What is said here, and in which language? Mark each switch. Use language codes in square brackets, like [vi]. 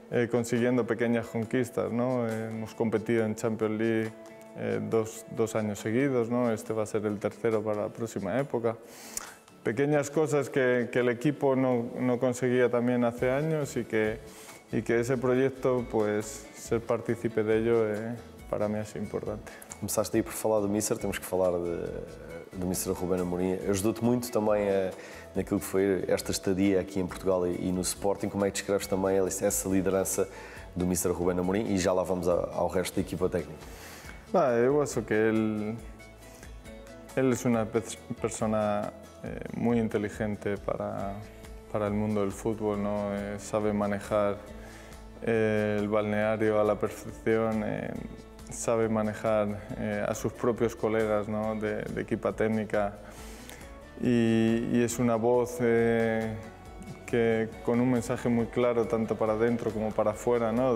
[es] consiguiendo pequeñas conquistas, ¿no? Hemos competido en Champions League dos años seguidos, ¿no? Este va a ser el tercero para la próxima época. Pequeñas cosas que el equipo no conseguía también hace años y que ese proyecto, pues, ser partícipe de ello, para mí es importante. [pt] Começaste aí por falar do míster, temos que falar do míster Rubén Amorim. Ajudou-te muito também naquilo que foi esta estadia aqui em Portugal e no Sporting. Como é que descreves também essa liderança do míster Rubén Amorim? E já lá vamos ao resto da equipa técnica. Ah, eu acho que ele é uma pessoa muito inteligente para o mundo do futebol, não? Sabe manejar o balneário à perfeição. [es] Sabe manejar a sus propios colegas, ¿no? de equipa técnica y es una voz que con un mensaje muy claro tanto para dentro como para afuera, ¿no?